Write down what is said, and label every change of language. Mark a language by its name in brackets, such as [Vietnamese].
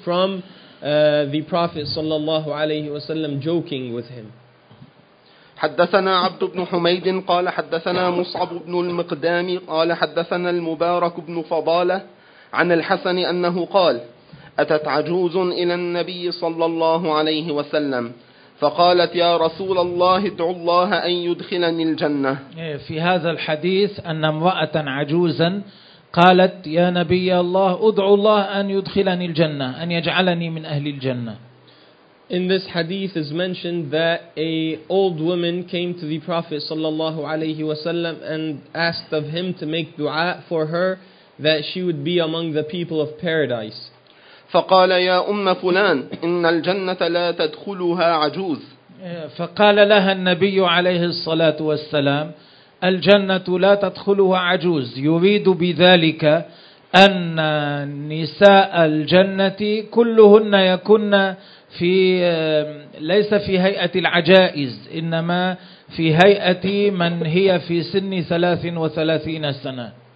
[English] from the Prophet صلى الله عليه وسلم joking with him. [Arabic] حدثنا عبد بن حميد قال حدثنا مصعب بن المقدام قال حدثنا المبارك بن فضالة عن الحسن أنه قال أتت عجوز إلى النبي صلى الله عليه وسلم فقالت يا رسول الله ادعو الله أن يدخلني الجنة. في هذا الحديث أن امرأة عجوزا قالت يا نبي الله ادعو الله أن يدخلني الجنة, أن يجعلني من أهل الجنة. [English] In this hadith is mentioned that a old woman came to the Prophet sallallahu alayhi wasallam and asked of him to make dua for her that she would be among the people of paradise. [Arabic] فقال يا أم فلان إن الجنة لا تدخلها عجوز. فقال لها النبي عليه الصلاة والسلام الجنة لا تدخلها عجوز, يريد بذلك أن نساء الجنة كلهن يكن في ليس في هيئة العجائز, إنما في هيئة من هي في سن 33 سنة.